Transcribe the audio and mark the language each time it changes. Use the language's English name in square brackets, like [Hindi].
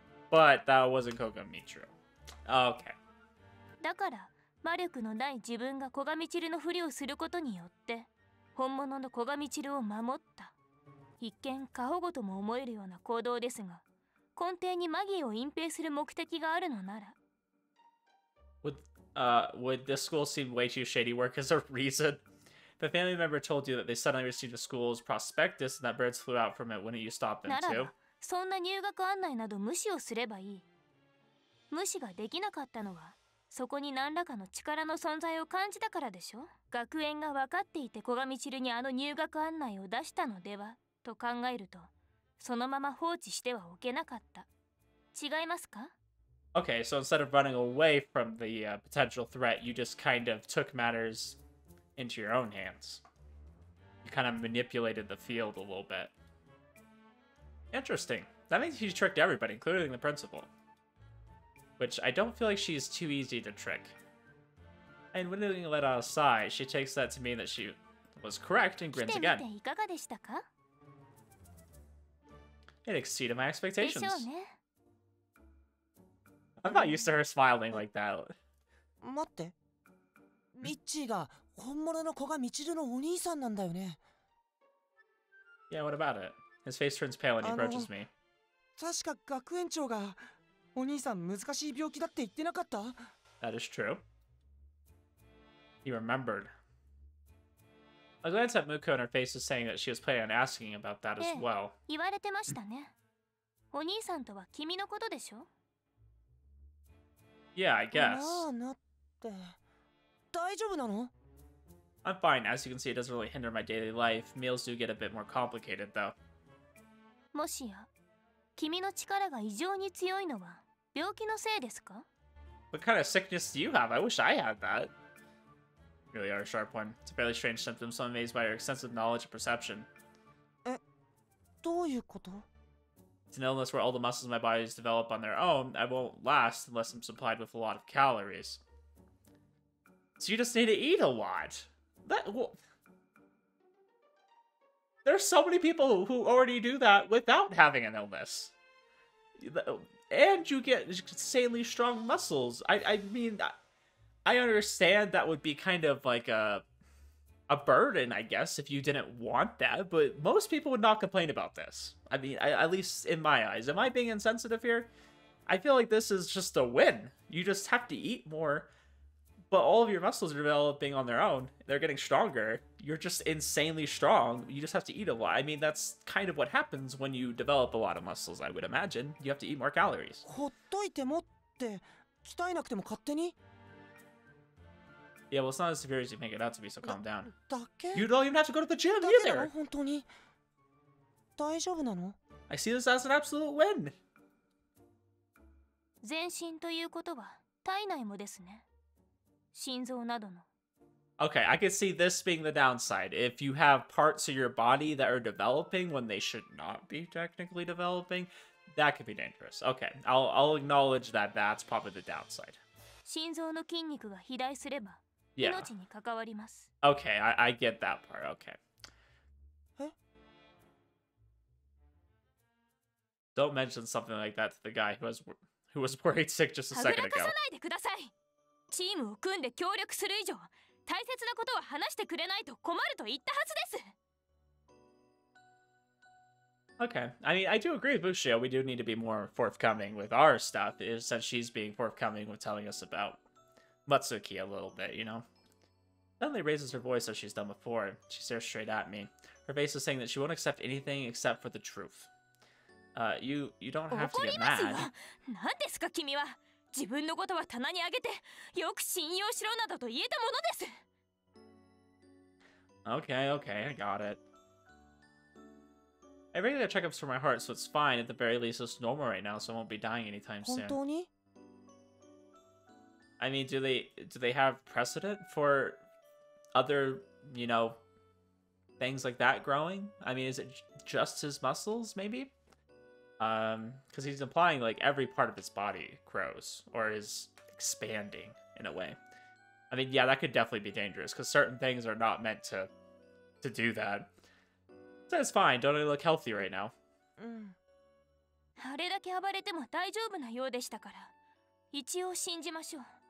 [English] But that wasn't Koga Michiru. Okay. [Japanese] だから 魔力のない自分が古賀道流のふりをすることによって本物の古賀道流を守った。一見過保護とも思えるような行動ですが、根底に魔儀を隠蔽する目的があるのなら。 [English] Would this school seem way too shady work as a reason? The family member told you that they suddenly received a school's prospectus and that birds flew out from it. Wouldn't you stop them too? [Japanese] そんな入学案内など無視をすればいい。無視ができなかったのは、そこに何らかの力の存在を感じたからでしょ。学園が分かっていて、コガミチルにあの入学案内を出したのでは、と考えると、そのまま放置してはおけなかった。違いますか? [English] Okay, so instead of running away from the potential threat, you just kind of took matters into your own hands. You kind of manipulated the field a little bit. Interesting. That means she tricked everybody, including the principal. Which I don't feel like she's too easy to trick. And when Lily let out a sigh, she takes that to mean that she was correct and grins again. It exceeded my expectations. I'm not used to her smiling like that. Wait. Michi is a real Koga Michiru's brother. Yeah, what about it? His face turns pale when he approaches me. [Japanese] 確か学園長がお兄さん難しい病気だって言ってなかった? [English] That is true. He remembered. A glance at Muko and her face is saying that she was planning on asking about that as well. [Japanese] 言われてましたね。お兄さんとは君のことでしょ? [English] Yeah, I guess. [Japanese] まあなって。大丈夫なの? [English] I'm fine. As you can see, it doesn't really hinder my daily life. Meals do get a bit more complicated, though. [Japanese] もしや、君の力が異常に強いのは病気のせいですか? [English] What kind of sickness do you have? I wish I had that. Really are a sharp one. It's a fairly strange symptom, so I'm amazed by your extensive knowledge and perception. [Japanese] え、どういうこと? [English] It's an illness where all the muscles in my body develop on their own. I won't last unless I'm supplied with a lot of calories. So you just need to eat a lot. That, well... There's so many people who already do that without having an illness. And you get insanely strong muscles. I understand that would be kind of like a burden, I guess, if you didn't want that. But most people would not complain about this. I mean, at least in my eyes. Am I being insensitive here? I feel like this is just a win. You just have to eat more. But all of your muscles are developing on their own. They're getting stronger. You're just insanely strong. You just have to eat a lot. I mean, that's kind of what happens when you develop a lot of muscles, I would imagine. You have to eat more calories. [Japanese] ほっといてもって、鍛えなくても勝手に? [English] Yeah, well, it's not as severe as you make it out to be, so calm down. [Japanese] だけ? [English] You don't even have to go to the gym either! [Japanese] だけだろ、本当に。大丈夫なの? [English] I see this as an absolute win! [Japanese] 全身ということは、体内もですね。心臓などの。 [English] Okay, I can see this being the downside. If you have parts of your body that are developing when they should not be technically developing, that could be dangerous. Okay, I'll acknowledge that that's probably the downside. [Japanese] 心臓の筋肉が肥大すれば、命に関わります。 [English] Yeah. Okay, I get that part. Okay. Don't mention something like that to the guy who was worried sick just a second ago. [Japanese] はぐらかさないでください。チームを組んで協力する以上、大切なことは話してくれないと困ると言ったはずです。 [English] Okay, I mean, I do agree with Ushio. We do need to be more forthcoming with our stuff, since she's being forthcoming with telling us about Matsuki a little bit, you know? Suddenly raises her voice as she's done before. She stares straight at me. Her face is saying that she won't accept anything except for the truth. You don't have to get mad. [Japanese] 何ですか、君は? 自分のことは棚にあげて、よく信用しろなどと言えたものです。 [English] Okay, okay, I got it. I regular checkups for my heart, so it's fine. At the very least, it's normal right now, so I won't be dying anytime soon. [Japanese] 本当に? [English] I mean, do they have precedent for other, you know, things like that growing? I mean, is it just his muscles, maybe? Because he's implying, like, every part of his body grows, or is expanding, in a way. I mean, yeah, that could definitely be dangerous, because certain things are not meant to do that. So it's fine, don't really look healthy right now. [Japanese] あれだけ暴れても大丈夫なようでしたから、一応信じましょう。